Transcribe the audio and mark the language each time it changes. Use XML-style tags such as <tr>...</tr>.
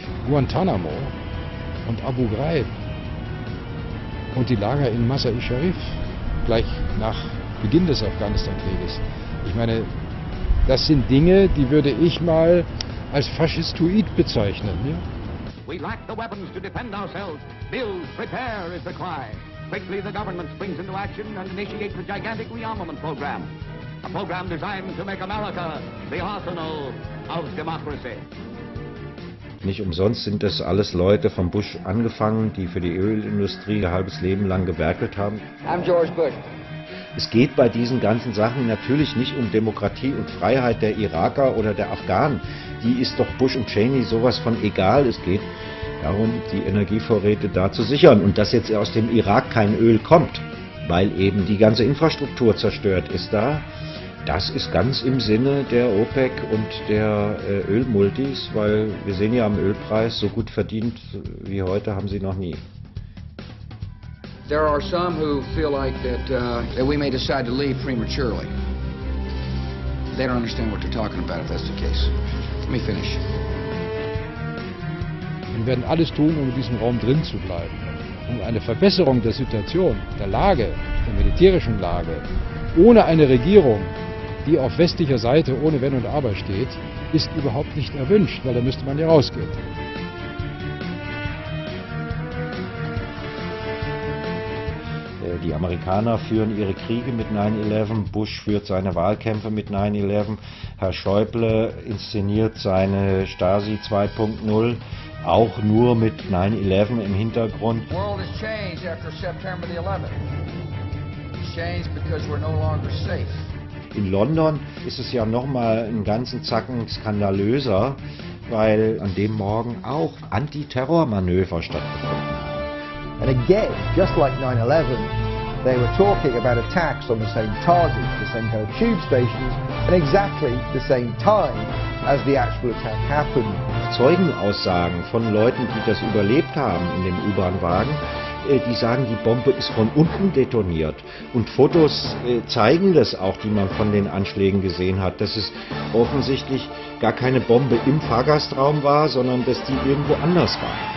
<de>Guantanamo und Abu Ghraib und die Lager in Masar-i-Sharif gleich nach Beginn des Afghanistan-Krieges. Ich meine, das sind Dinge, die würde ich mal als Faschistoid bezeichnen. Ja?</de> <en>We lack the weapons to defend ourselves. Build, prepare is the cry. Quickly the government springs into action and initiates a gigantic rearmament program. A program designed to make America the arsenal of democracy.</en> <de>Nicht umsonst sind das alles Leute von Bush angefangen, die für die Ölindustrie ihr halbes Leben lang gewerkelt haben.</de> <en>I'm George Bush.</en> <de>Es geht bei diesen ganzen Sachen natürlich nicht um Demokratie und Freiheit der Iraker oder der Afghanen. Die ist doch Bush und Cheney sowas von egal. Es geht darum, die Energievorräte da zu sichern. Und dass jetzt aus dem Irak kein Öl kommt, weil eben die ganze Infrastruktur zerstört ist da. Das ist ganz im Sinne der OPEC und der Ölmultis, weil wir sehen ja am Ölpreis, so gut verdient wie heute haben sie noch nie.</de> <en>There are some who feel like that we may decide to leave prematurely. They don't understand what they're talking about if that's the case. Let me finish.</en> <de>Wir werden alles tun, um in diesem Raum drin zu bleiben. Um eine Verbesserung der Situation, der Lage, der militärischen Lage, ohne eine Regierung, die auf westlicher Seite ohne Wenn und Aber steht, ist überhaupt nicht erwünscht, weil da müsste man ja rausgehen. Die Amerikaner führen ihre Kriege mit 9-11, Bush führt seine Wahlkämpfe mit 9-11, Herr Schäuble inszeniert seine Stasi 2.0 auch nur mit 9-11 im Hintergrund.</de> <en>The world has changed after September the 11th. It's changed because we're no longer safe.</en> <de>In London ist es ja nochmal einen ganzen Zacken skandalöser, weil an dem Morgen auch Antiterrormanöver stattgefunden haben.</de> <en>And again, just like 9-11, they were talking about attacks on the same targets, the same kind of tube stations, at exactly the same time as the actual attack happened.</en> <de>Zeugenaussagen von Leuten, die das überlebt haben in dem U-Bahn-Wagen, die sagen, die Bombe ist von unten detoniert. Und Fotos zeigen das auch, die man von den Anschlägen gesehen hat, dass es offensichtlich gar keine Bombe im Fahrgastraum war, sondern dass die irgendwo anders war.</de>